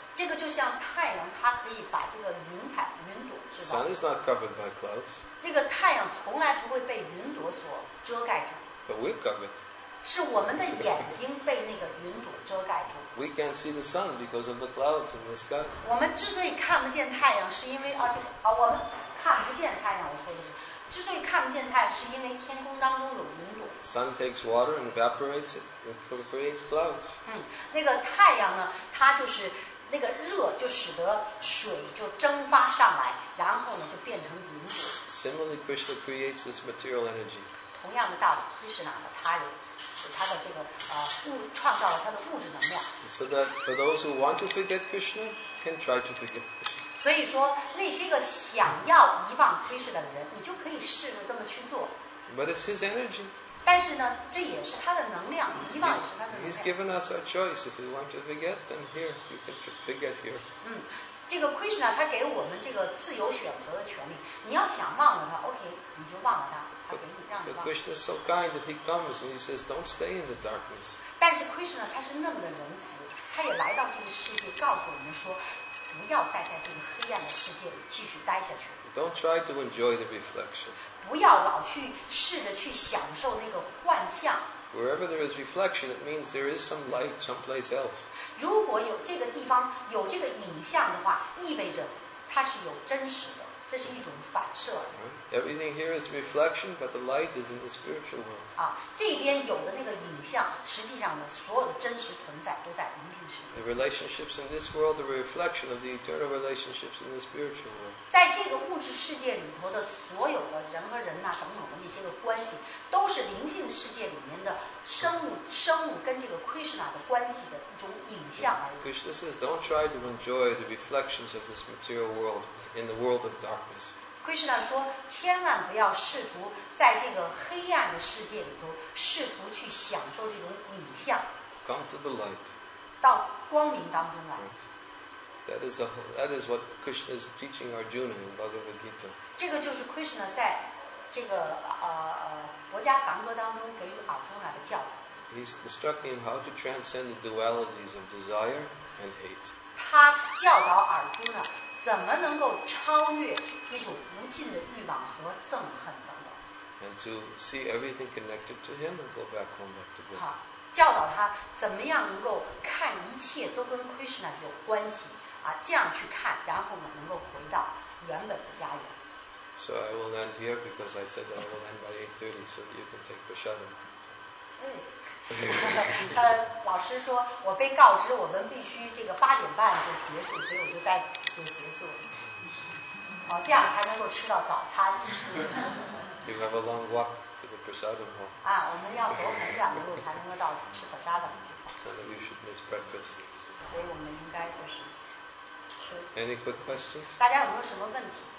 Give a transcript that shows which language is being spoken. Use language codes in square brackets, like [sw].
[zh] 这个就像太阳，它可以把这个云彩、云朵，是吧 [en] ？Sun is not covered by clouds. [zh] 那个太阳从来不会被云朵所遮盖住。 [en] But we're covered. [zh] 是我们的眼睛被那个云朵遮盖住。 [en] We can't see the sun because of the clouds in the sky. [zh] 我们之所以看不见太阳，是因为啊，就啊，我们看不见太阳。我说的是，之所以看不见太阳，是因为天空当中有云朵。 [en] Sun takes water and evaporates it, and creates clouds. [zh] 嗯，那个太阳呢，它就是那个热，就使得水就蒸发上来，然后呢就变成云朵。 [en] Similarly, Krishna creates this material energy. [zh] 同样的道理，就是哪个他有。他的这个创造了他的物质能量。 [en] So that for those who want to forget Krishna can try to forget Krishna. [zh] 所以说那些个想要遗忘 Krishna 的人，你就可以试着这么去做。 [en] But it's his energy. [zh] 但是呢，这也是他的能量，遗忘也是他的能量。 [en] He's given us a choice. If we want to forget, then here you can forget here. [zh] 嗯，这个 Krishna 他给我们这个自由选择的权利。你要想忘了他 ，OK， 你就忘了他。 [en] But Krishna is so kind that he comes and he says, "Don't stay in the darkness." [zh] 但是 Krishna 他是那么的仁慈，他也来到这个世界，告诉我们说，不要再在这个黑暗的世界里继续待下去。 [en] Don't try to enjoy the reflection. [zh] 不要老去试着去享受那个幻象。 [en] Wherever there is reflection, it means there is some light someplace else. [zh] 如果有这个地方有这个影像的话，意味着它是有真实的。这是一种反射。 [en] Everything here is reflection, but the light is in the spiritual world. [zh] 啊，这边有的那个影像，实际上呢，所有的真实存在都在灵性世界。 [en] The relationships in this world are a reflection of the eternal relationships in the spiritual world. [zh] 在这个物质世界里头的所有的人和人呐，等等的那些个关系，都是灵性世界里面的生物跟这个 Krishna 的关系的一种影像而已。 [en] Krishna says, "Don't try to enjoy the reflections of this material world in the world of darkness." [zh] Krishna 说，千万不要试图在这个黑暗的世界里头试图去享受这种影像。 [en] Come to the light. [zh] 到光明当中来。Right. [en] That is what Krishna is teaching Arjuna in Bhagavad Gita. [zh] 这个就是 Krishna 在这个佛家梵歌当中给予阿朱那的教导。 [en] He's instructing him how to transcend the dualities of desire and hate. [zh] 他教导阿朱那怎么能够超越那种无尽的欲望和憎恨等等。 [en] and to see everything connected to him and go back home back to Buddha. [zh] 好，教导他怎么样能够看一切都跟 Krishna 有关系啊，这样去看，然后呢，能够回到原本的家园。 [en] So I will end here because I said that I will end by 8:30, so you can take prasadam. [zh] 嗯，他老师说，我被告知我们必须这个八点半就结束，所以我就在此就结束了。好，这样才能够吃到早餐。 [en] You have a long walk to the prasadam hall. [zh] 啊，我们要走很远的路才能够到吃 prasadam 的地方。 [en] You should miss breakfast. [zh] 所以我们应该就是吃。 [en] Any quick questions? [zh] 大家有没有什么问题？